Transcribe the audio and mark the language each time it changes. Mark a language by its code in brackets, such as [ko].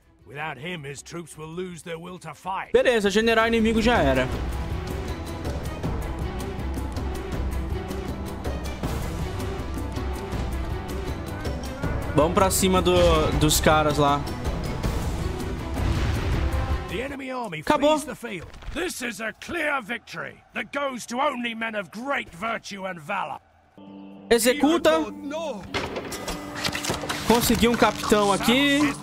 [en] Without him, his troops will lose their will to fight. [pt] Beleza, general inimigo já era. Vamos pra cima dos caras lá. Acabou. [en] This is a clear victory that goes to only men of great virtue and valor. [pt] Executa. Consegui um capitão aqui.